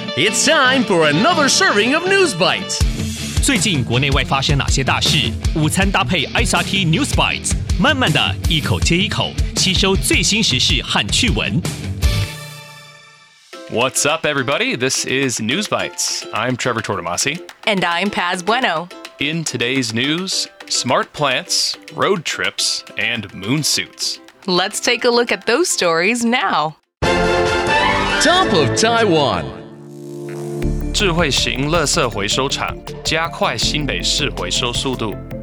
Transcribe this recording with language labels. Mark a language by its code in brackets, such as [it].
[en] It's time for another serving of News Bites. [zh] 最近国内外发生哪些大事？午餐搭配 ICT News Bites， 慢慢的一口接一口，吸收最新时事和趣闻。 [en] What's up, everybody? This is News Bites. I'm Trevor Tortomasi. And I'm Paz Bueno. In today's news, smart plants, road trips, and moon suits. Let's take a look at those stories now. Top of Taiwan. [zh] 智慧型垃圾回收廠，加快新北市回收速度。